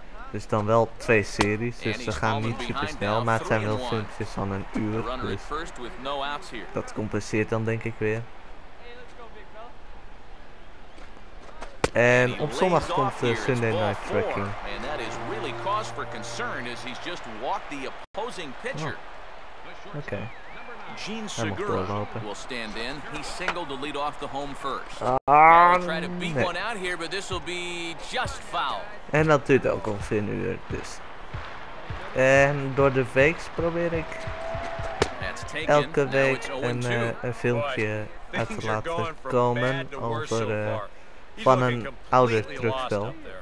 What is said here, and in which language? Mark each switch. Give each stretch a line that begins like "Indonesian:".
Dutch: Dus dan wel 2 series. Dus ze gaan niet super snel. Maar het zijn wel filmpjes van een uur. Dus dat compenseert dan denk ik weer. En op zondag komt de Sunday Night Tracking.
English: En dat is really cause for concern as he's just walked the opposing pitcher. Oké. Gene Segura will stand in. He singled to lead off the home first. Try to beat one out here, but this will be just foul.
Dutch: En dat duurt ook ongeveer een uur, dus. En door de week probeer ik elke week een filmpje uit te laten komen over van een oude truckspel.